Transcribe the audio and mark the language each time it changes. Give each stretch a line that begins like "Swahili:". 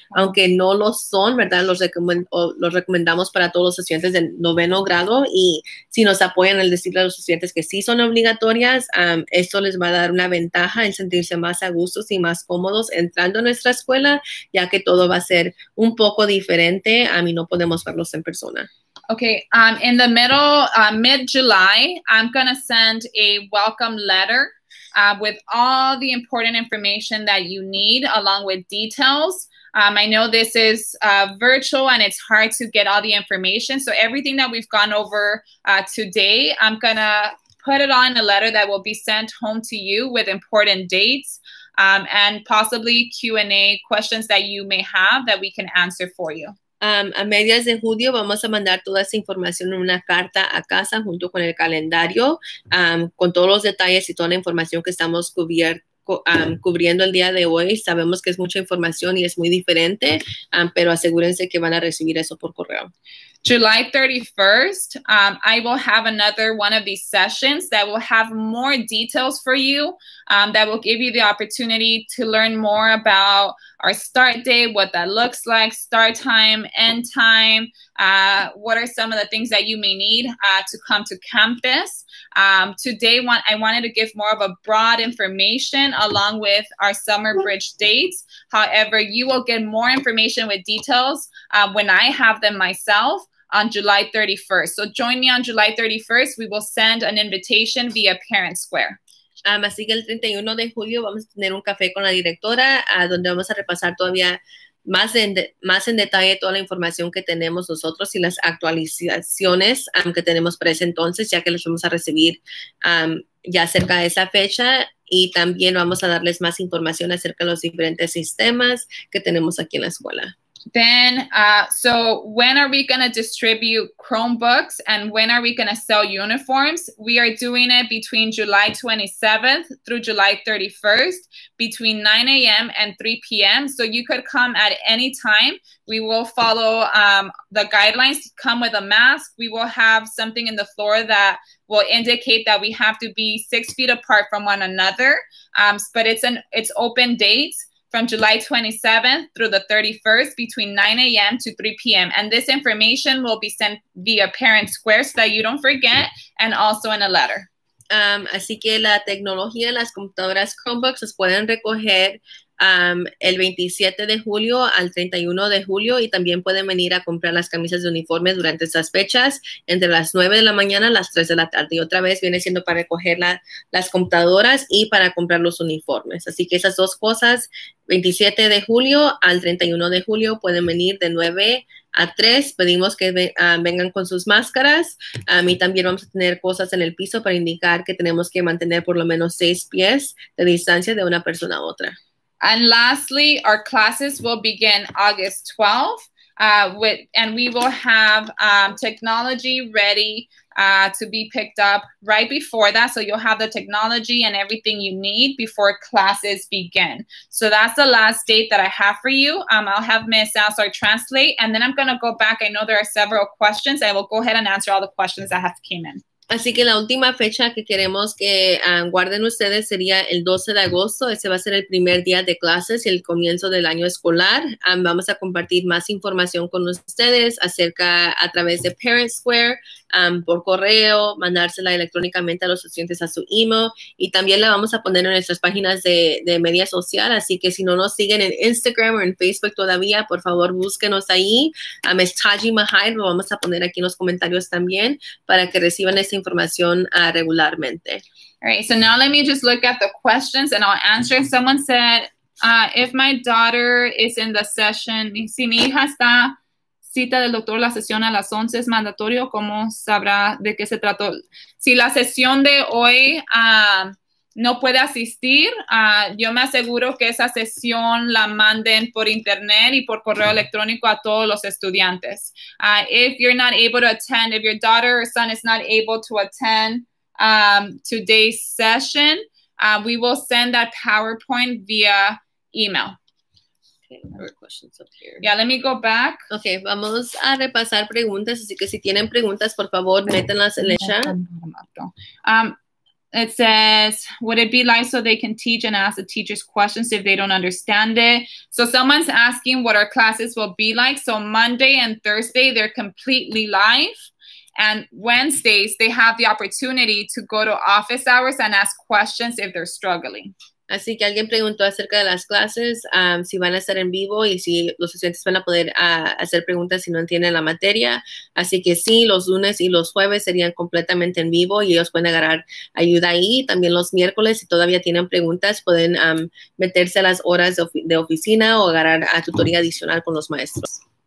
Spanish: Aunque no lo son, ¿verdad? Los recomendamos para todos los estudiantes del noveno grado y si nos apoyan al decirle a los estudiantes que sí son obligatorias, esto les va a dar una ventaja en sentirse más a gusto y más cómodos entrando a nuestra escuela, ya que todo va a ser un poco diferente, a mí no podemos verlos en persona.
English: Okay, in the middle, mid-July, I'm going to send a welcome letter with all the important information that you need, along with details. I know this is virtual and it's hard to get all the information. So everything that we've gone over today, I'm going to put it on a letter that will be sent home to you with important dates and possibly Q&A questions that you may have that we can answer for you.
Spanish: A medias de julio vamos a mandar toda esa información en una carta a casa junto con el calendario, con todos los detalles y toda la información que estamos cubriendo el día de hoy. Sabemos que es mucha información y es muy diferente, pero asegúrense que van a recibir eso por correo.
English: July 31st, I will have another one of these sessions that will have more details for you, that will give you the opportunity to learn more about our start date, what that looks like, start time, end time, what are some of the things that you may need to come to campus. Today, I wanted to give more of a broad information along with our Summer Bridge dates. However, you will get more information with details when I have them myself on July 31st. So join me on July 31st. We will send an invitation via Parent Square.
Spanish: Así que el 31 de julio vamos a tener un café con la directora, donde vamos a repasar todavía más en detalle toda la información que tenemos nosotros y las actualizaciones que tenemos para ese entonces, ya que los vamos a recibir ya cerca de esa fecha. Y también vamos a darles más información acerca de los diferentes sistemas que tenemos aquí en la escuela.
English: Then, so when are we going to distribute Chromebooks and when are we going to sell uniforms? We are doing it between July 27th through July 31st, between 9 a.m. and 3 p.m. So you could come at any time. We will follow the guidelines. Come with a mask. We will have something in the floor that will indicate that we have to be 6 feet apart from one another. But it's open dates. From July 27th through the 31st between 9 a.m. to 3 p.m. And this information will be sent via Parent Square so that you don't forget and also in a letter.
Spanish: Así que la tecnología de las computadoras Chromebooks las pueden recoger el 27 de julio al 31 de julio y también pueden venir a comprar las camisas de uniforme durante esas fechas entre las 9 de la mañana a las 3 de la tarde. Y otra vez viene siendo para recoger las computadoras y para comprar los uniformes. Así que esas dos cosas, 27 de julio al 31 de julio, pueden venir de 9 a 3. Pedimos que vengan con sus máscaras. Y también vamos a tener cosas en el piso para indicar que tenemos que mantener por lo menos 6 pies de distancia de una persona a otra.
English: And lastly, our classes will begin August 12th, and we will have technology ready to be picked up right before that. So you'll have the technology and everything you need before classes begin. So that's the last date that I have for you. I'll have Ms. Salazar translate, and then I'm going to go back. I know there are several questions. I will go ahead and answer all the questions that have came in.
Spanish: Así que la última fecha que queremos que guarden ustedes sería el 12 de agosto. Ese va a ser el primer día de clases y el comienzo del año escolar. Vamos a compartir más información con ustedes acerca a través de Parent Square, por correo, mandársela electrónicamente a los estudiantes a su email. Y también la vamos a poner en nuestras páginas de media social. Así que si no nos siguen en Instagram o en Facebook todavía, por favor, búsquenos ahí. Es Taji Mahide. Lo vamos a poner aquí en los comentarios también para que reciban esta información regularmente.
English: All right, so now let me just look at the questions and I'll answer. Someone said, if my daughter is in the session,
Spanish: si mi hija está cita del doctor la sesión a las 11, ¿es mandatorio? ¿Cómo sabrá de qué se trató? Si la sesión de hoy no puede asistir, yo me aseguro que esa sesión la manden por internet y por correo electrónico a todos los estudiantes.
English: If you're not able to attend, if your daughter or son is not able to attend today's session, we will send that PowerPoint via email. Questions up here. Yeah, let me go back.
Spanish: Okay, vamos a repasar preguntas. Así que si tienen preguntas, por favor, métanlas en el chat.
English: It says, would it be live so they can teach and ask the teachers questions if they don't understand it? So someone's asking what our classes will be like. So Monday and Thursday, they're completely live. And Wednesdays, they have the opportunity to go to office hours and ask questions if they're struggling.
Spanish: Así que alguien preguntó acerca de las clases, si van a estar en vivo y si los estudiantes van a poder hacer preguntas si no entienden la materia. Así que sí, los lunes y los jueves serían completamente en vivo y ellos pueden agarrar ayuda ahí. También los miércoles, si todavía tienen preguntas, pueden meterse a las horas de oficina o agarrar a tutoría adicional con los maestros.